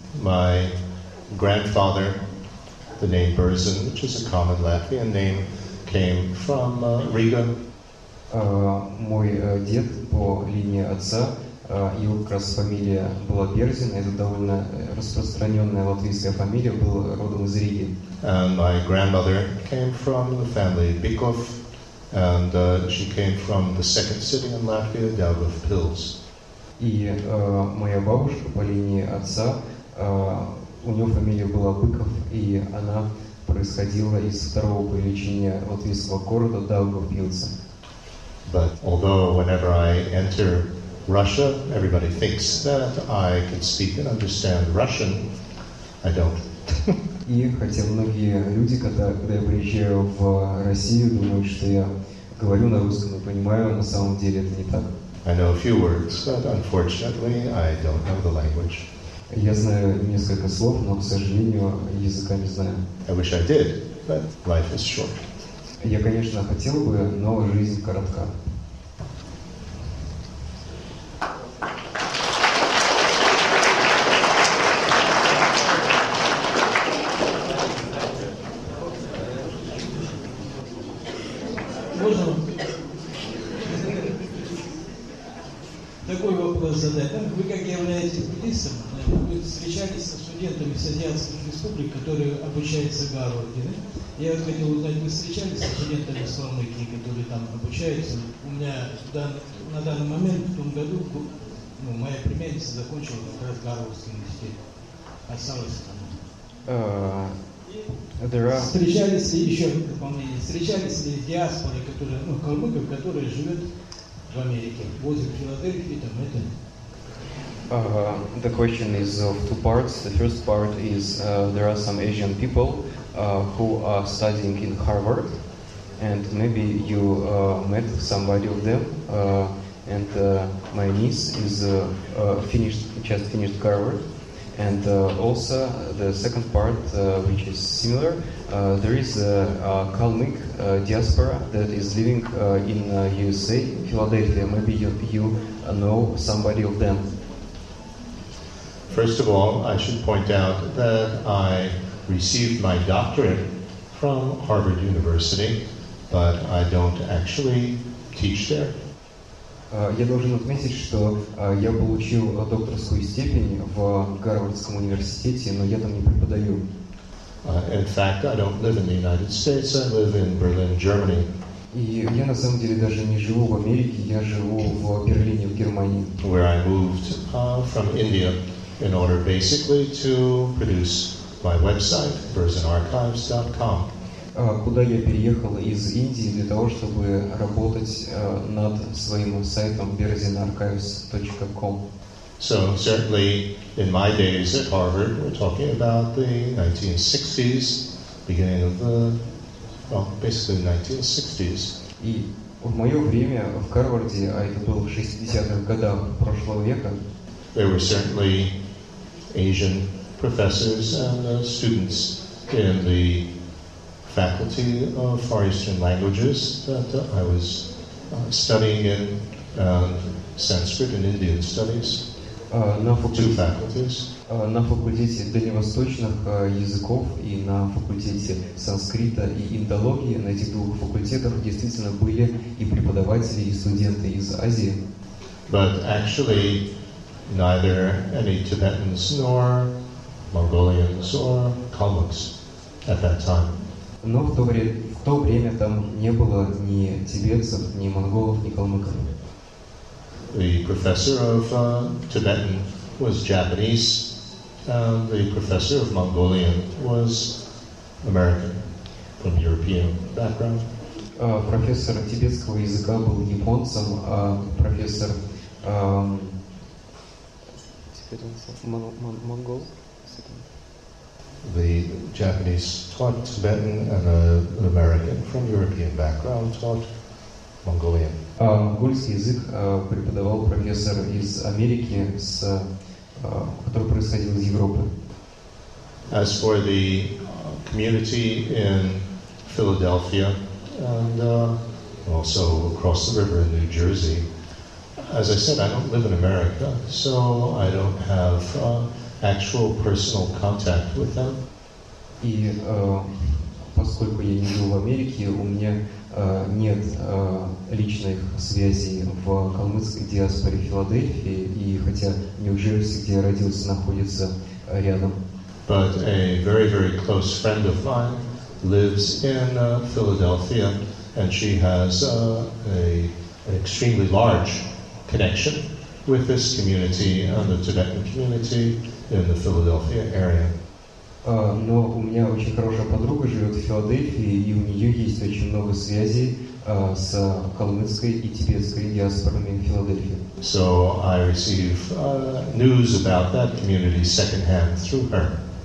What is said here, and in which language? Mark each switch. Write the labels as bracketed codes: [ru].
[en] My grandfather, the name Burzin, which is a common Latvian name, came from Riga. [ru] Мой дед по линии отца, его как раз фамилия была Берзин, это довольно распространенная латвийская фамилия, был родом из Риги. [en] And my grandmother came from the family Bikov, and she came from the second city in Latvia, Daugavpils Pills. [ru] И моя бабушка по линии отца, у нее фамилия была Быков, и она происходила из второго по величине латвийского города Даугавпилс. [en] But although whenever I enter Russia, everybody thinks that I can speak and understand Russian, I don't. [ru] И хотя многие люди, когда я приезжаю в Россию, думают, что я говорю на русском и понимаю, на самом деле это не так. [en] I know a few words, but unfortunately, I don't know the language. [ru] Я знаю несколько слов, но, к сожалению, языка не знаю. [en] I wish I did, but life is short. [ru] Я, конечно, хотел бы, но жизнь коротка. Можно такой вопрос задать? Вы как являетесь буддистом? Вы встречались со студентами Азиатских республик, которые обучаются в Гарварде, да? Я вот хотел узнать, вы встречались со студентами из Фламыкии, которые там обучаются? У меня на данный момент, в том году, моя племянница закончила как раз Гарвардский университет. Осталось там. [en] There are. [ru] Встречались ли еще дополнение? Встречались ли диаспоры, которые, ну, калмыков, которые живут в Америке, возле Филадельфии, там это? [en] The question is of two parts. The first part is there are some Asian people who are studying in Harvard, and maybe you met somebody of them. And my niece is just finished Harvard. And also the second part, which is similar, there is a Kalmyk diaspora that is living in USA, Philadelphia. Maybe you know somebody of them. First of all, I should point out that I received my doctorate from Harvard University, but I don't actually teach there. [ru] Я должен отметить, что я получил докторскую степень в Гарвардском университете, но я там не преподаю. [en] In fact, I don't live in the United States. I live in Berlin, Germany. [ru] И я на самом деле даже не живу в Америке, я живу в Берлине, в Германии. [en] Where I moved from India in order basically to produce my website, versionarchives.com. [ru] Куда я переехал из Индии для того, чтобы работать над своим сайтом berzinarchives.com. [en] So, certainly, in my days at Harvard, we're talking about the 1960s, beginning of the, well, basically the 1960s. [ru] И в мое время в Гарварде, а это было в 60-х годах прошлого века, [en] there were certainly Asian professors and students in the Faculty of Far Eastern Languages that I was studying in, Sanskrit and Indian Studies. Two faculties. [ru] На факультете дальневосточных языков и на факультете санскрита и индологии на этих двух факультетах действительно были и преподаватели, и студенты из Азии. [en] But actually, neither any Tibetans nor Mongolians or Kalmyks at that time. [ru] Но в то время там не было ни тибетцев, ни монголов, ни калмыков. [en] The professor of Tibetan was Japanese, and the professor of Mongolian was American, from European background. [ru] Профессор тибетского языка был японцем, а профессор монгол. [en] The Japanese taught Tibetan, and an American from European background taught Mongolian. [ru] Монгольский язык преподавал профессор из Америки, который происходил из Европы. [en] As for the community in Philadelphia and also across the river in New Jersey, as I said, I don't live in America, so I don't have actual personal contact with them. [ru] И поскольку я не живу в Америке, у меня нет личных связей в калмыцкой диаспоре Филадельфии, и хотя Нью-Джерси, где я родился, находится рядом. [en] But a very, very close friend of mine lives in Philadelphia, and she has an extremely large connection with this community and the Tibetan community in the Philadelphia area. [ru] Но у меня очень хорошая подруга живет в Филадельфии, и у нее есть очень много связей с калмыцкой и тибетской диаспорами в Филадельфии. [en] So I receive news about that community secondhand through her.